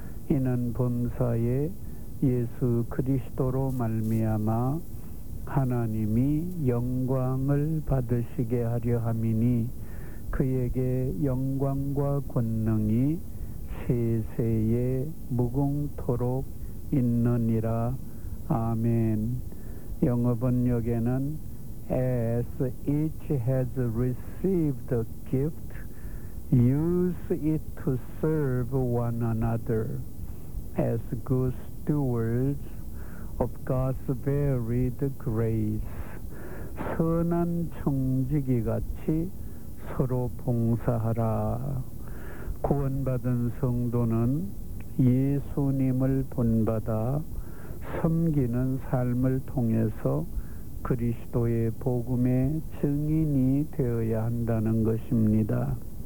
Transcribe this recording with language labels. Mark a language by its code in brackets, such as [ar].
[ko] 이는 범사에 예수 그리스도로 말미암아 하나님이 영광을 받으시게 하려 함이니 그에게 영광과 권능이 세세에 무궁토록 있느니라. 아멘. 영어번역에는 [en] As each has received a gift, use it to serve one another as good stewards of God's varied grace. [ko] 선한 청지기 같이 서로 봉사하라. 구원받은 성도는 예수님을 본받아 섬기는 삶을 통해서 그리스도의 복음의 증인이 되어야 한다는 것입니다.